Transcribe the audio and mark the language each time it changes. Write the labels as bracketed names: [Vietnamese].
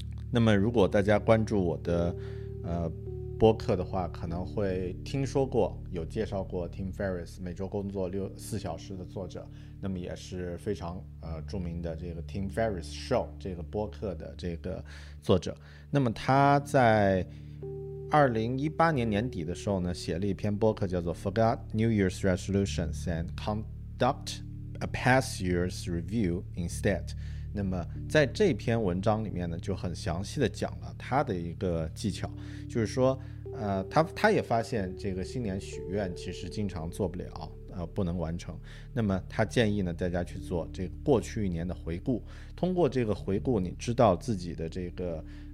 [Chinese] 那么如果大家关注我的播客的话，可能会听说过，有介绍过 Tim Ferriss， 每周工作4小时的作者，那么也是非常著名的这个 Tim Ferriss Show 这个播客的这个作者。那么他在2018年年底的时候呢，写了一篇播客，叫做 [English] "Forgot New Year's Resolutions and Conduct a Past Year's Review Instead"。 [Chinese] 那么在这篇文章里面呢，就很详细的讲了他的一个技巧，就是说，他也发现这个新年许愿其实经常做不了，不能完成。那么他建议呢，大家去做这个过去一年的回顾，通过这个回顾，你知道自己的这个。